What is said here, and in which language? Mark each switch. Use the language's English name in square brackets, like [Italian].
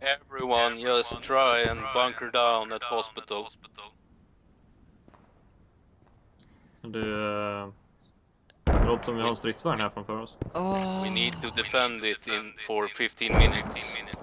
[English] Everyone just try and bunker down at hospital. [Swedish] Du... Det låter som vi har en stridsvagn här framför oss. [English] We need to defend it in for 15 minutes.